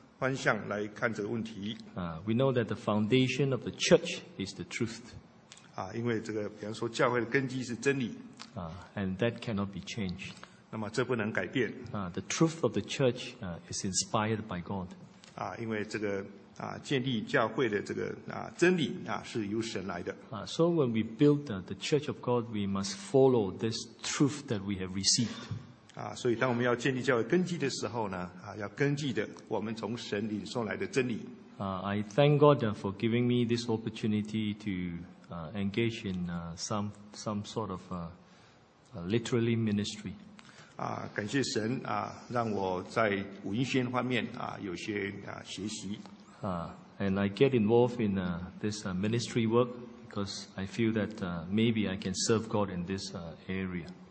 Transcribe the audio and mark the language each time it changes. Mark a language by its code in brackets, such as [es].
[zh] 我们可以从不同的方向来看这个问题。 [en] We know that the foundation of the church is the truth. [zh] 因为这个，比方说教会的根基是真理。 [en] And that cannot be changed. [zh] 那么这不能改变。 [en] The truth of the church is inspired by God. [zh] 因为这个建立教会的这个真理是由神来的。 [en] So when we build the church of God, we must follow this truth that we have received. [zh] 所以当我们要建立教会根基的时候呢，要根据的我们从神里送来的真理。 [en] I thank God for giving me this opportunity to engage in some sort of literary ministry. [zh] 感谢神让我在文宣方面有些学习。 [en] And I get involved in this ministry work because I feel that maybe I can serve God in this area.